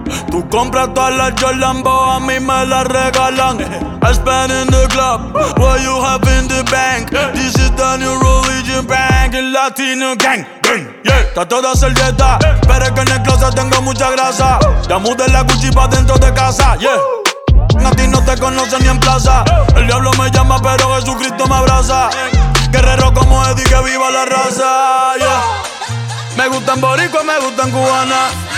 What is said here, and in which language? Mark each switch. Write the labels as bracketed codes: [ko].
[es] Tú compras todas las Jolambo, a mí me las regalan. [en] I spend in the club, what you have in the bank. This is the new religion bank, [es] el latino gang. [en] Yeah. [es] Está toda servieta, pero es que en el closet tengo mucha grasa. Ya mudé la Gucci pa' dentro de casa, yeah. A ti no te conoce ni en plaza. El diablo me llama, pero Jesucristo me abraza. Guerrero como Eddie, que viva la raza, yeah. Me gustan boricua, me gustan cubana.